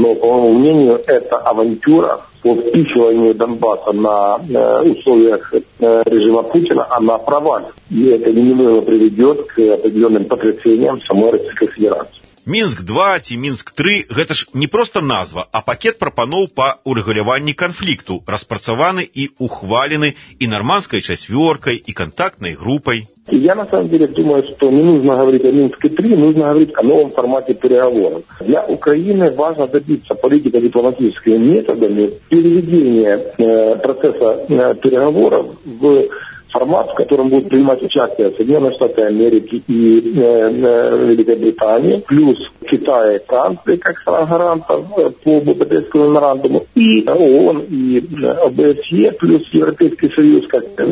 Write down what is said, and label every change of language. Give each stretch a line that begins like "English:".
Russian: Но, по моему мнению, эта авантюра по впихиванию Донбасса на условиях режима Путина, она провалится. И это неминуемо приведет к определенным потрясениям самой Российской Федерации.
Belarusian: Мінск-2 ці Мінск-3 – гэта ж не просто назва, а пакет прапаноў па урэгуляванні канфлікту, распрацаваны і ухвалены і нарманскай чацвёркай, і кантактнай групай.
Russian: Я на самом деле думаю, что не нужно говорить о Минске-3, нужно говорить о новом формате переговоров. Для Украины важно добиться политико-дипломатическими методами переведения процесса переговоров в формат, в котором будут принимать участие Соединенные Штаты Америки и Великобритании, плюс Китая и Франции как гаранта по Будапештскому меморандуму, и ООН, и ОБСЕ, плюс Европейский Союз как